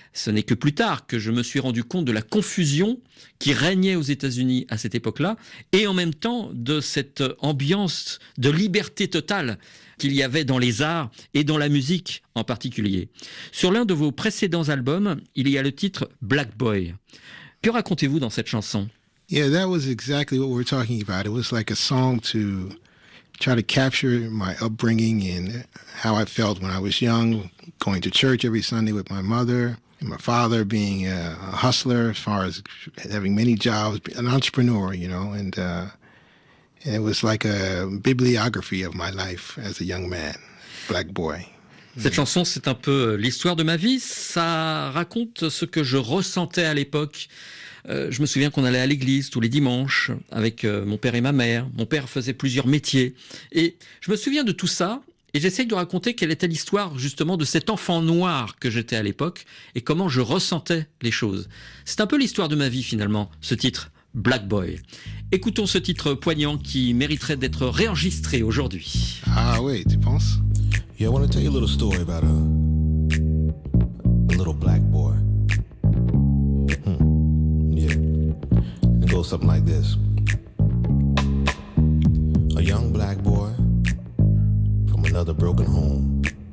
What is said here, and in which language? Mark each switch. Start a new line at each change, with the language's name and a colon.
French: Ce n'est que plus tard que je me suis rendu compte de la confusion qui régnait aux États-Unis à cette époque-là et en même temps de cette ambiance de liberté totale qu'il y avait dans les arts et dans la musique en particulier. Sur l'un de vos précédents albums, il y a le titre « Black Boy ». Que racontez-vous dans cette chanson?
English: Yeah, that was exactly what we were talking about. It was like a song to try to capture my upbringing and how I felt when I was young, going to church every Sunday with my mother, and my father being a hustler as far as having many jobs, an entrepreneur, you know, and it was like a bibliography of my life as a young man, black boy.
French: Cette chanson, c'est un peu l'histoire de ma vie. Ça raconte ce que je ressentais à l'époque. Je me souviens qu'on allait à l'église tous les dimanches avec mon père et ma mère. Mon père faisait plusieurs métiers. Et je me souviens de tout ça et j'essaye de raconter quelle était l'histoire justement de cet enfant noir que j'étais à l'époque et comment je ressentais les choses. C'est un peu l'histoire de ma vie finalement, ce titre « Black Boy ». Écoutons ce titre poignant qui mériterait d'être réenregistré aujourd'hui. Ah oui, tu penses ?
English: Yeah, I want to tell you a little story about a little black boy. Yeah. It goes something like this. A young black boy from another broken home.